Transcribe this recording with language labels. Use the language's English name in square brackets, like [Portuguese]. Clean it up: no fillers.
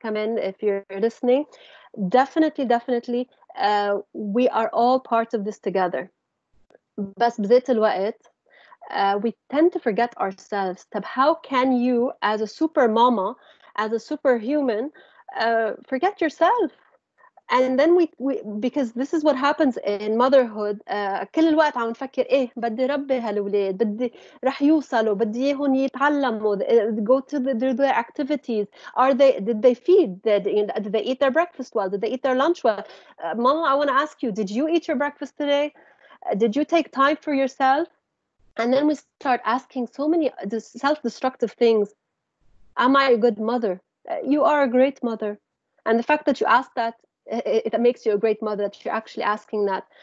[English] Come in if you're listening. Definitely, definitely, we are all part of this together. [Arabic] بس بذات الوقت, [English] we tend to forget ourselves. [Arabic] طب [English] how can you, as a super mama, as a superhuman, forget yourself. And then we because this is what happens in motherhood. [Arabic] كل الوقت عم نفكر إيه بدي ربي هالولاد بدي رح يوصلوا بدي هون يتعلموا [English] go to their activities. Did they eat their breakfast well? Did they eat their lunch well? Mom, I want to ask you, did you eat your breakfast today? Did you take time for yourself? And then we start asking so many self-destructive things. Am I a good mother? You are a great mother. And the fact that you ask that, it makes you a great mother that you're actually asking that.